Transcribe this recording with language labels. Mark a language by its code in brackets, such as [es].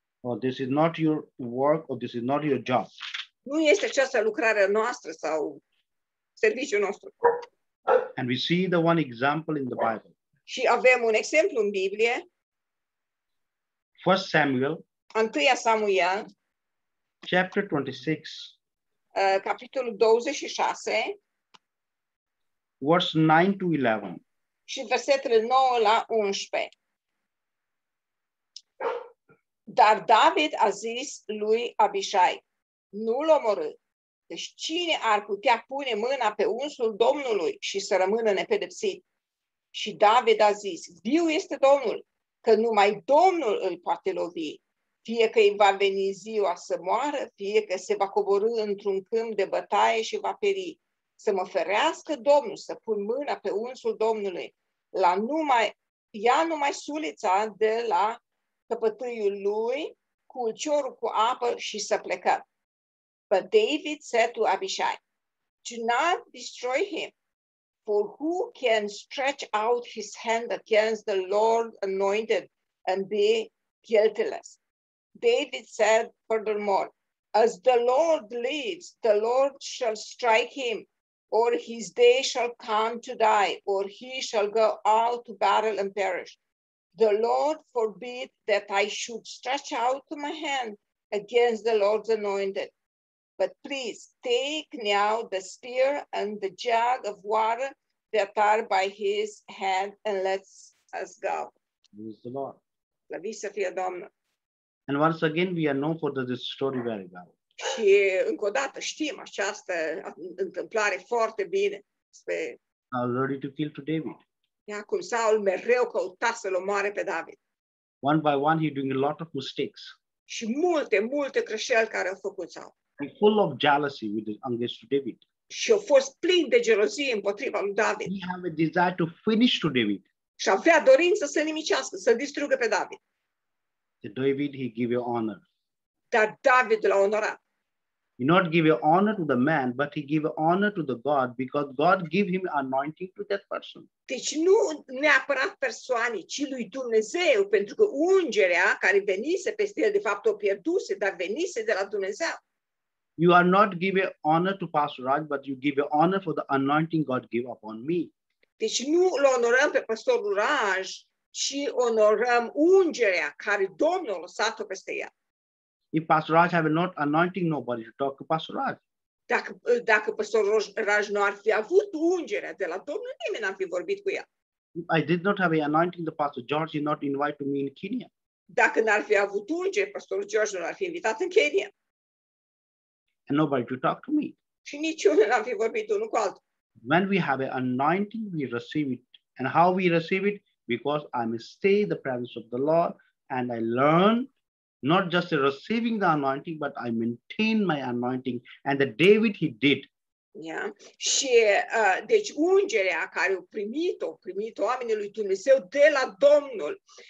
[en] Or this is not your work, or this is not your job. [ro] Nu este această lucrarea noastră sau serviciul nostru. [en] And we see the one example in the Bible. [ro] Și avem un exemplu în Biblie. [en] 1 Samuel. [ro] 1 Samuel. [en] Chapter 26. [ro] capitolul 26, [en] verse 9 to 11. [ro] Și versetele 9 la 11. Dar David a zis lui Abishai, nu-l omorâ. Deci cine ar putea pune mâna pe unsul Domnului și să rămână nepedepsit? Și David a zis, viu este Domnul, că numai Domnul îl poate lovi, fie că îi va veni ziua să moară, fie că se va coborâ într-un câmp de bătaie și va peri. Să mă ferească Domnul să pun mâna pe unsul Domnului, la numai, ia numai sulița de la căpătâiul lui, cu ulciorul cu apă și să plecă. [en] But David said to Abishai, do not destroy him, for who can stretch out his hand against the Lord anointed and be guiltless? David said furthermore, as the Lord lives, the Lord shall strike him, or his day shall come to die, or he shall go out to battle and perish. The Lord forbid that I should stretch out my hand against the Lord's anointed. But please take now the spear and the jug of water that are by his hand and let us go. Praise the Lord. [ro] Slăviți să fie Domnul. [en] And once again, we are known for this story very well. [ro] Și încă o dată știm această întâmplare foarte bine. [en] Saul ready to kill to David. [ro] Iacum, Saul mereu căuta să-l omoare pe David. [en] One by one, he's doing a lot of mistakes. [ro] Și multe, multe greșeli care au făcut Saul. [en] Full of jealousy with the against David. [ro] Și a fost plin de gelozie împotriva lui David. [en] He have a desire to finish to David. [ro] Și avea dorință să nimicească, să distrugă pe David. [en] The David he give you honor. [ro] Dar David l-a onorat. [en] He not give you honor to the man, but he give honor to the God because God give him anointing to that person. [ro] Deci nu neapărat persoane, ci lui Dumnezeu, pentru că ungerea care venise peste el de fapt o pierduse, dar venise de la Dumnezeu. [en] You are not giving honor to Pastor Raj, but you give honor for the anointing God gave upon me. [ro] Deci nu îl onorăm pe pastorul Raj, ci onorăm ungerea care Domnul a lăsat-o peste ea. [en] If Pastor Raj have not anointing nobody to talk to Pastor Raj. [ro] Dacă pastorul Raj nu ar fi avut ungerea de la Domnul, nimeni n-ar fi vorbit cu ea. [en] If I did not have an anointing the Pastor George, he not invite me in Kenya. [ro] Dacă n-ar fi avut ungere, pastorul George nu ar fi invitat în Kenya. [en] And nobody to talk to me. [ro] Și niciunul n-ar fi vorbit unul cu altul. [en] When we have an anointing, we receive it. And how we receive it? Because I may stay the presence of the Lord and I learn not just receiving the anointing, but I maintain my anointing. And the David, he did. Yeah. [ro] Și, deci, ungerea care o primit-o oamenii lui Dumnezeu de la Domnul.